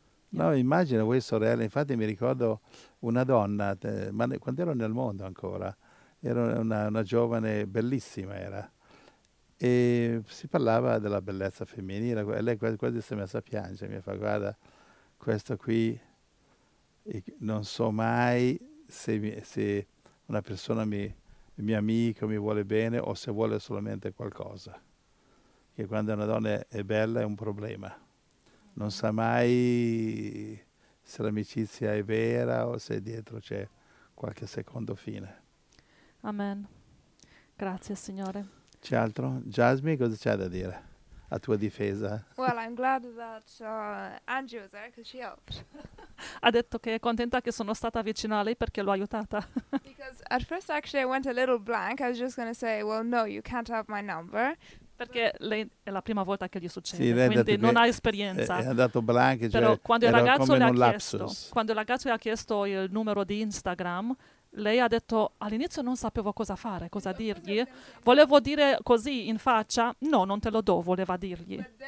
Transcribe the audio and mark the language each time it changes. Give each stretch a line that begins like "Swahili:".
Italian: No, immagino voi sorelle, infatti mi ricordo una donna, ma quando ero nel mondo ancora, era una giovane bellissima era, e si parlava della bellezza femminile, e lei quasi si è messa a piangere, mi fa guarda, questo qui, non so mai se una persona, mio amico, mi vuole bene o se vuole solamente qualcosa, che quando una donna è bella è un problema. Non sa mai se l'amicizia è vera o se dietro c'è qualche secondo fine. Amen. Grazie, Signore. C'è altro? Jasmine, cosa c'è da dire a tua difesa?
English: Well, I'm glad that Angie was there because she helped.
Italian: Ha detto che è contenta che sono stata vicino a lei perché l'ho aiutata.
English: Because at first actually I went a little blank. I was just going to say, well, no, you can't have my number.
Italian: Perché lei è la prima volta che gli succede, sì, quindi non ha esperienza. È andato blank, cioè però quando il ragazzo le ha chiesto, quando il ragazzo le ha chiesto il numero di Instagram, lei ha detto all'inizio non sapevo cosa fare, cosa dirgli. Volevo dire così in faccia, no, non te lo do, voleva dirgli.